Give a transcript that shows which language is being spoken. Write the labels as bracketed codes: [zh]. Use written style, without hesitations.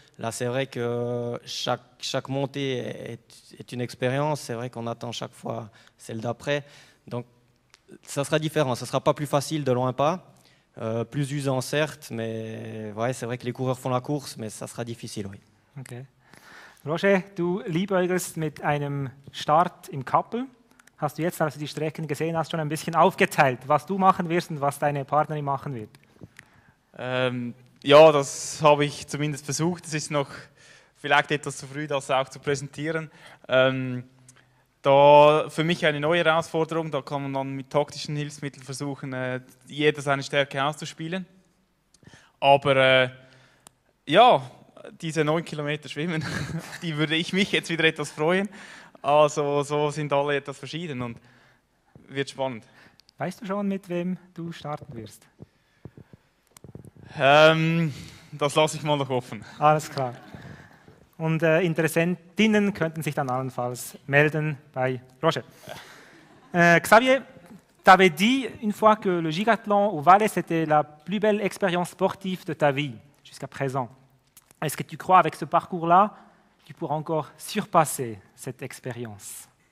[fr] Là, c'est vrai que chaque montée est une expérience. C'est vrai qu'on attend chaque fois celle d'après. Donc, ça sera différent. Ça ne sera pas plus facile de loin pas. Plus usant, certes. Mais ouais, c'est vrai que les coureurs font la course, mais ça sera difficile, oui. Okay. [de] Roger, du liebäugelst mit einem Start im Kappel. Hast du jetzt, als du die Strecken gesehen hast, schon ein bisschen aufgeteilt, was du machen wirst und was deine Partnerin machen wird? Ja, das habe ich zumindest versucht. Es ist noch vielleicht etwas zu früh, das auch zu präsentieren. Da für mich eine neue Herausforderung, da kann man dann mit taktischen Hilfsmitteln versuchen, jeder seine Stärke auszuspielen. Aber ja, diese 9 Kilometer Schwimmen, die würde ich mich jetzt wieder etwas freuen. Also so sind alle etwas verschieden. Und wird spannend. Weißt du schon, mit wem du starten wirst? Das lasse ich mal noch offen. Alles klar. Und Interessentinnen könnten sich dann allenfalls melden bei Roger. [fr] Xavier, tu avais dit une fois que le gigathlon au Valais c'était la plus belle expérience sportive de ta vie jusqu'à présent. Est-ce que tu crois avec ce parcours-là, tu pourras encore surpasser cette expérience?